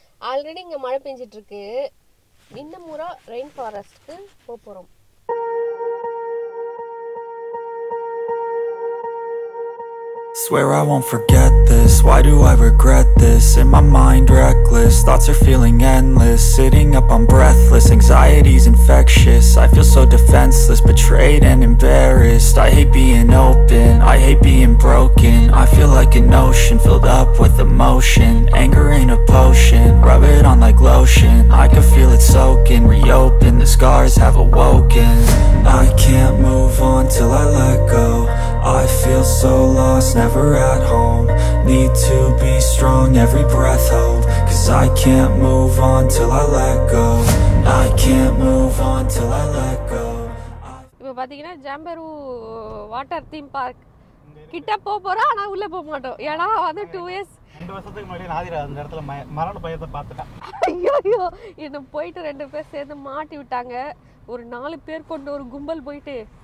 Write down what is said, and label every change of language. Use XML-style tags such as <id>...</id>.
<ta>Already இங்கே மழை பெஞ்சிட்ருக்கு. மின்னமுரா rain ஃபாரஸ்ட்டுக்கு போகிறோம்.</ta> <en>Swear I won't forget this. Why do I regret this? In my mind reckless, thoughts are feeling endless. Sitting up I'm breathless, anxiety's infectious. I feel so defenseless, betrayed and embarrassed. I hate being open, I hate being broken. I feel like an ocean filled up with emotion. Anger ain't a potion, rub it on like lotion. I can feel it soaking, reopen, the scars have awoken. I can't move on till I let go. I feel so lost, never at home. Need to be strong, every breath hold. 'Cause I can't move on till I let go. I can't move on till I let go.</en> <ta>இப்போ பாத்தீங்கன்னா ஜாம்பரூ water theme park கிட்ட போக போறோம், ஆனா உள்ள போக மாட்டோம். ஏன்னா வந்து 2 இயர்ஸ் 2 வருஷத்துக்கு முன்னாடி நாதிரா அந்த இடத்துல மரண பயத்தை பார்த்துட்டான். ஐயோ, இன்னும் போயிட்டு ரெண்டு பேர் சேர்ந்து மாட்டி விட்டாங்க. ஒரு 4 பேர் கொண்டு ஒரு கும்பல் போயிட்டு.</ta>